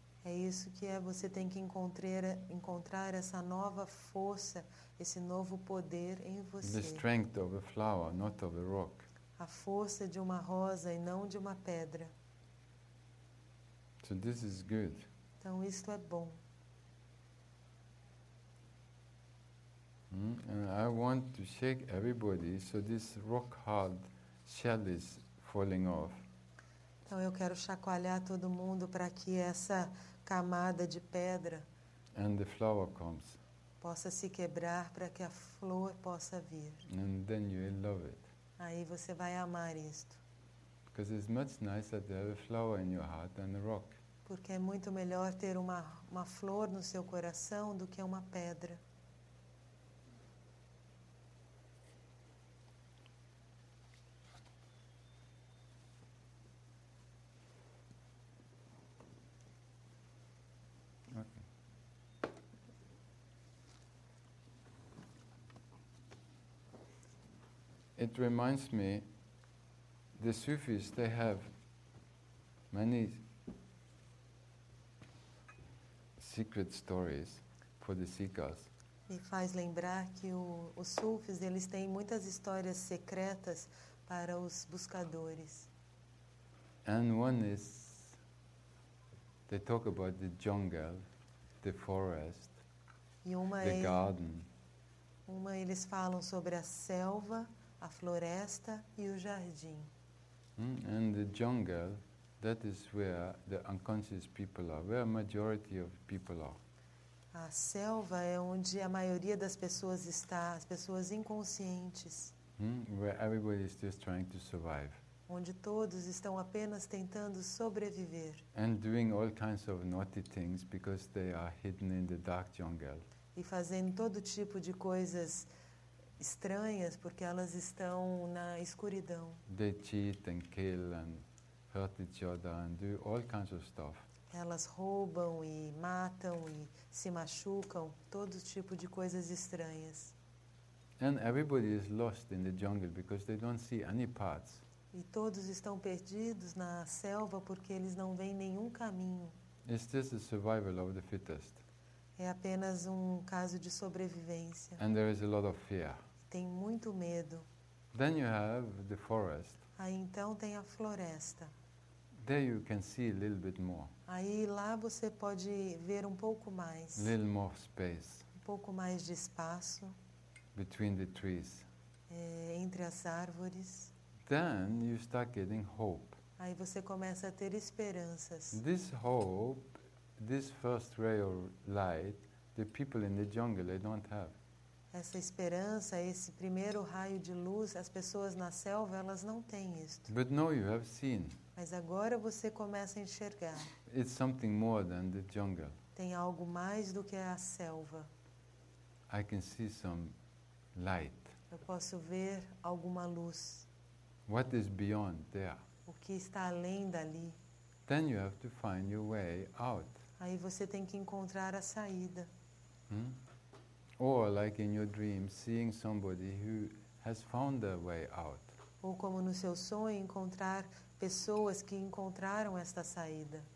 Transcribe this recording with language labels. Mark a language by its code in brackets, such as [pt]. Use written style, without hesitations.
[pt] É isso que é. Você tem que encontrar essa nova força, esse novo poder em você. [en] The strength of a flower, not of a rock. [pt] A força de uma rosa e não de uma pedra. [en] So this is good. [pt] Então isto é bom. [en] And I want to shake everybody so this rock hard shell is falling off. [pt] Então eu quero chacoalhar todo mundo para que essa camada de pedra [en] and the flower comes. [pt] Possa se quebrar para que a flor possa vir. [en] And then you will love it. [pt] Aí você vai amar isto. [en] Because it's much nicer to have a flower in your heart than a rock. [pt] Porque é muito melhor ter uma flor no seu coração do que uma pedra. [en] Okay. It reminds me, the Sufis, they have many secret stories for the seekers. [pt] Me faz lembrar que os sufis, eles têm muitas histórias secretas para os buscadores. [en] And one is, they talk about the jungle, the forest, the garden. [pt] Uma, eles falam sobre a selva, a floresta e o jardim. [en] And the jungle, that is where the unconscious people are, where a majority of people are. [pt] A selva é onde a maioria das pessoas está, as pessoas inconscientes. [en] Where everybody is just trying to survive. [pt] Onde todos estão apenas tentando sobreviver. [en] And doing all kinds of naughty things because they are hidden in the dark jungle. [pt] E fazendo todo tipo de coisas estranhas porque elas estão na escuridão. [en] They cheat and kill and hurt each other and do all kinds of stuff. [pt] Elas roubam e matam e se machucam, todo tipo de coisas estranhas. [en] And everybody is lost in the jungle because they don't see any paths. [pt] E todos estão perdidos na selva porque eles não veem nenhum caminho. [en] It's just the survival of the fittest. [pt] É apenas um caso de sobrevivência. [en] And there is a lot of fear. [pt] Tem muito medo. [en] Then you have the forest. [pt] Aí então tem a floresta. [en] There you can see a little bit more. [pt] Aí lá você pode ver um pouco mais. [en] A little more space. [pt] Um pouco mais de espaço. [en] Between the trees. [pt] É, entre as árvores. [en] Then you start getting hope. [pt] Aí você começa a ter esperanças. [en] This hope, this first ray of light, the people in the jungle, they don't have. [pt] Essa esperança, esse primeiro raio de luz, as pessoas na selva, elas não têm isto. [en] But now you have seen. [pt] Mas agora você começa a enxergar. [en] It's something more than the jungle. [pt] Tem algo mais do que a selva. [en] I can see some light. [pt] Eu posso ver alguma luz. [en] What is beyond there? [pt] O que está além dali? [en] Then you have to find your way out. [pt] Aí você tem que encontrar a saída. Hmm? [en] Or like in your dream, seeing somebody who has found their way out. [pt] Ou como no seu sonho encontrar pessoas que encontraram esta saída.